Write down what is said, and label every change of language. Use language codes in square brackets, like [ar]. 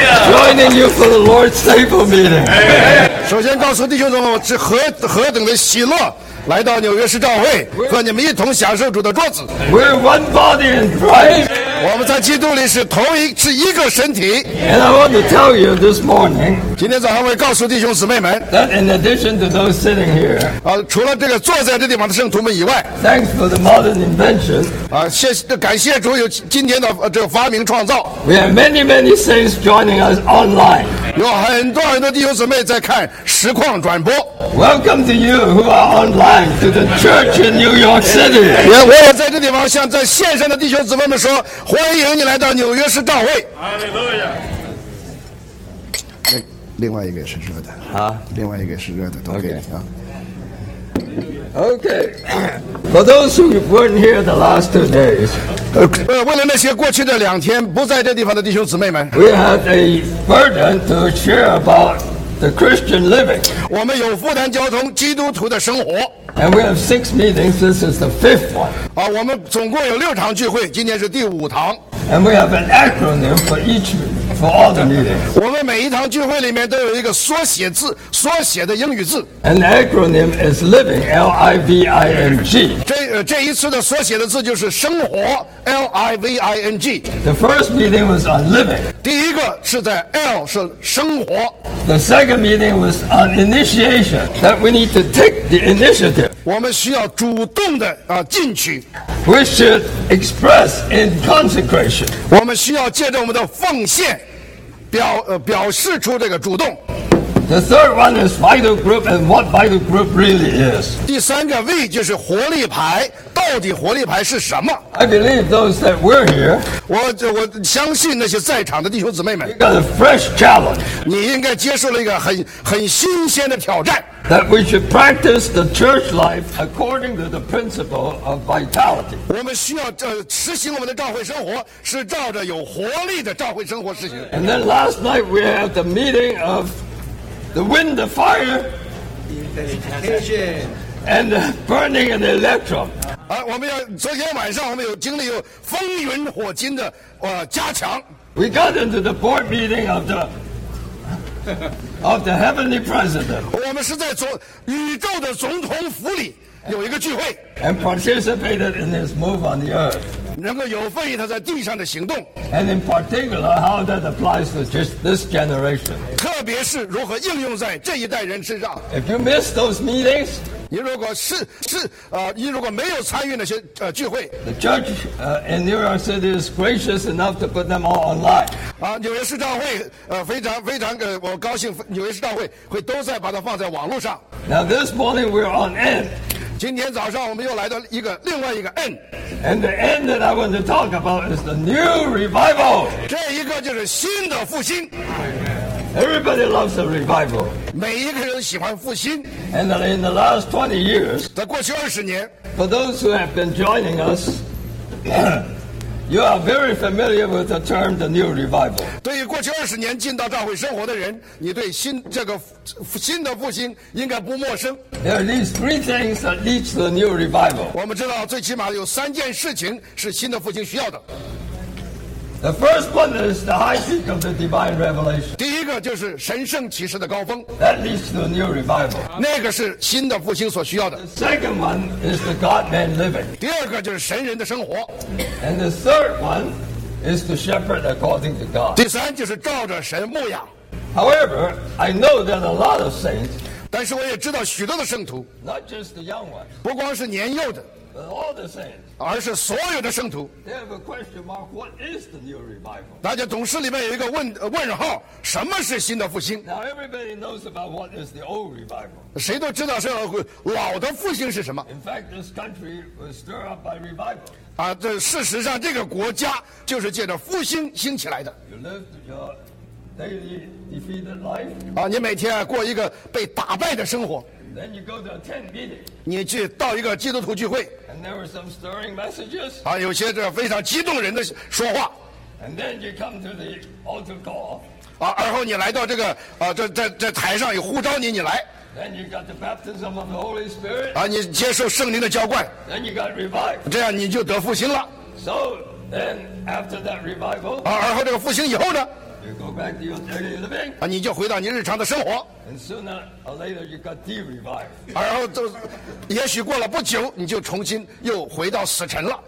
[en] Joining you for the Lord's Table meeting. [zh] 首先告诉弟兄们，我是何等的喜乐，来到纽约市教会和你们一同享受主的桌子。 [en] We're one body in Christ. [zh] 我们在基督里是同一，是一个身体。 [en] And I want to tell you this morning. [zh] 今天早上我告诉弟兄姊妹们。 [en] That in addition to those sitting here. [zh] 除了这个坐在这地方的圣徒们以外。 [en] Thanks for the modern invention. [zh] 感谢主有今天的这个发明创造。 [en] We have many, many saints joining us online. [zh] 有很多很多弟兄姊妹在看实况转播。 [en] Welcome to you who are online to the church in New York City. [zh] 我也在这地方向在线上的弟兄姊妹们说，欢迎你来到纽约市教会。 [en] Hallelujah. [zh] 另外一个也是热的。另外一个是热的，都给你啊。 [en] Okay. For those who weren't here the last 2 days. [zh] 为了那些过去的两天不在这地方的弟兄姊妹们。 [en] We had a burden to share about the Christian living. [zh] 我们有负担交通基督徒的生活。 [en] And we have 6 meetings. This is the 5th one. [zh] 我们总共有6场聚会，今天是第5堂。 [en] And we have an acronym for each meeting. For all the meetings. [zh] 我们每一堂聚会里面都有一个缩写字，缩写的英语字。 [en] An acronym is living, L-I-V-I-N-G. [zh] 这一次的缩写的字就是生活 ,L-I-V-I-N-G. [en] The first meeting was on living. [zh] 第一个是在 L, 是生活。 [en] The second meeting was on initiation, that we need to take the initiative. [zh] 我们需要主动的进取。 [en] We should express in consecration. [zh] 我们需要借着我们的奉献表示出这个主动。 [en] The third one is vital group and what vital group really is. [zh] 第三个 V 就是活力牌，到底活力牌是什么？ [en] I believe those that were here. [zh] 我相信那些在场的弟兄姊妹们。 [en] You got a fresh challenge. [zh] 你应该接受了一个很新鲜的挑战。 [en] That we should practice the church life according to the principle of vitality. [zh] 我们需要实行我们的教会生活，是照着有活力的教会生活实行。 [en] And then last night we had the meeting of. The wind, the fire, and the burning and the electrum. [zh] 我们要昨天晚上我们有经历有风云火金的加强。 [en] We got into the board meeting of the heavenly president. [zh] 我们是在宇宙的总统府里有一个聚会。 [en] And participated in his move on the earth. [zh] 能够有份于他在地上的行动。 [en] And in particular, how that applies to just this generation. [zh] 特别是如何应用在这一代人身上。 [en] If you miss those meetings, [zh] 你如果你如果没有参与那些聚会。 [en] The church in New York City is gracious enough to put them all online. [zh] 纽约市教会非常非常我高兴，纽约市教会会都在把它放在网络上。 [en] Now this morning we're on end. [zh] 今天早上我们又来到另外一个 N. [en] And the N that I want to talk about is the new revival. [zh] 这一个就是新的复兴。 [en] Everybody loves a revival. [zh] 每一个人喜欢复兴。 [en] And in the last 20 years, [zh] 在过去20年， [en] for those who have been joining us, you are very familiar with the term the new revival. [zh] 对于过去20年进到教会生活的人，你对新的复兴应该不陌生。 [en] There are at least 3 things that lead to the new revival. [zh] 我们知道最起码有3件事情是新的复兴需要的。 [en] The first one is the high peak of the divine revelation. [zh] 第一个就是神圣启示的高峰。 [en] That leads to the new revival. [zh] 那个是新的复兴所需要的。 [en] The second one is the God-man living. [zh] 第二个就是神人的生活。 [en] And the third one is to shepherd according to God. [zh] 第三就是照着神牧养。 [en] However, I know that a lot of saints, [zh] 但是我也知道许多的圣徒， [en] not just the young ones, [zh] 不光是年幼的。 [en] But all the saints, [zh] 而是所有的圣徒。 [en] They have a question mark. What is the new revival? [zh] 大家总是里面有一个问号，什么是新的复兴？ [en] Now everybody knows about what is the old revival. [zh] 谁都知道是老的复兴是什么。 [en] In fact, this country was stirred up by revival. [zh] 这事实上这个国家就是借着复兴兴起来的。 [en] You lived your daily defeated life. [zh] 你每天过一个被打败的生活。 [en] Then you go to attend meeting. [zh] 你去到一个基督徒聚会。 [en] And there were some stirring messages. [zh] 有些这非常激动人的说话。 [en] And then you come to the altar call. [zh] 然后你来到这个在台上有呼召你来。 [en] Then you got the baptism of the Holy Spirit. [zh] 啊，你接受圣灵的浇灌。 [en] Then you got revived. [zh] 这样你就得复兴了。 [en] So then after that revival. [zh] 啊，而后这个复兴以后呢？ [en] You go back to your daily living. [zh] 啊，你就回到你日常的生活。 [en] And sooner or later you got de-revived. [zh] 而后就，也许过了不久，你就重新又回到死城了。